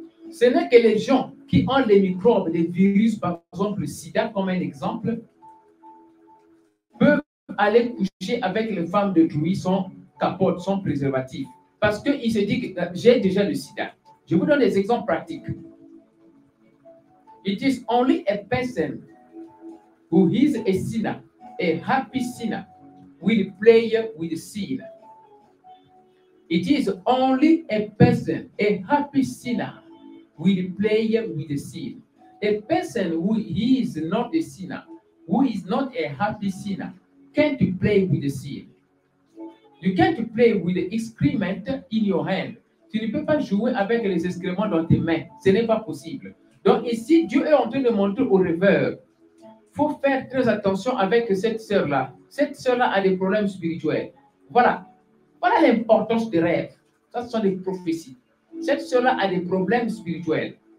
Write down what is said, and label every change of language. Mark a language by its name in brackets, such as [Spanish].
[French] Ce n'est que les gens qui ont les microbes, les virus, par exemple le sida comme un exemple, peuvent aller coucher avec les femmes de Jouy sans capote, sans préservatif. Parce qu'ils se disent que j'ai déjà le sida. Je vous donne des exemples pratiques. [English] It is only a person who is a sinner, a happy sinner, will play with sin. It is only a person, a happy sinner, will play with sin. A person who is not a sinner, who is not a happy sinner, can't play with sin. You can't play with excrement in your hand. [French] Tu ne peux pas jouer avec les excréments dans tes mains. Ce n'est pas possible. Donc ici, Dieu est en train de montrer au rêveur. Il faut faire très attention avec cette sœur-là. Cette sœur-là a des problèmes spirituels. Voilà. Voilà l'importance des rêves. Ça, ce sont des prophéties. Cette sœur-là a des problèmes spirituels.